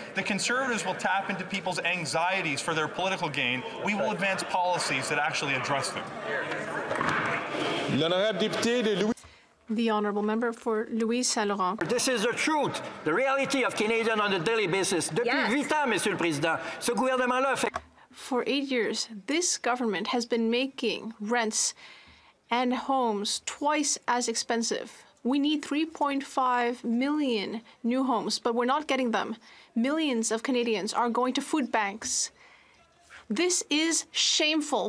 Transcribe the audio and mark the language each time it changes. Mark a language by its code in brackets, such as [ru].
[en] The Conservatives will tap into people's anxieties for their political gain. We will advance policies that actually address The Honourable Member for Louis-Saint-Laurent. This is the truth, the reality of Canadians on a daily basis. [fr] Depuis 8 ans, Monsieur le Président, ce gouvernement-là fait... [en] For 8 years, this government has been making rents and homes twice as expensive. We need 3.5 million new homes, but we're not getting them. Millions of Canadians are going to food banks. This is shameful.